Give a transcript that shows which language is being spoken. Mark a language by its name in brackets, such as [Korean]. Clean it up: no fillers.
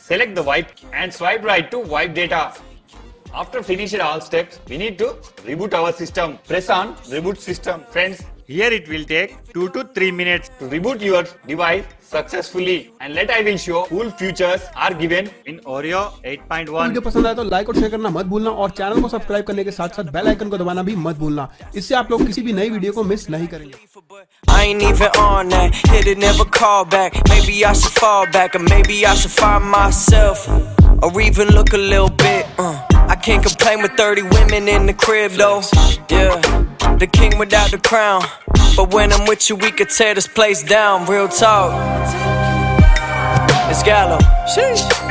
[English] Select the wipe and swipe right to wipe data. After finishing all steps, we need to reboot our system. Press on reboot system. Friends, here it will take 2 to 3 minutes to reboot your device successfully. And let I will show cool features are given in Oreo 8.1. [Hindi] If you पसंद आया तो like और share करना मत भूलना और channel को subscribe करने के साथ-साथ बेल आइकन को दबाना भी मत भूलना. इससे आप लोग किसी भी नई वीडियो को मिस नहीं करेंगे. [English] I ain't even on that. Hit it never call back. Maybe I should fall back or maybe I should find myself or even look a little bit. I can't complain with 30 women in the crib though. Yeah, the king without the crown. But when I'm with you, we could tear this place down. Real talk, it's Gallo. Sheesh.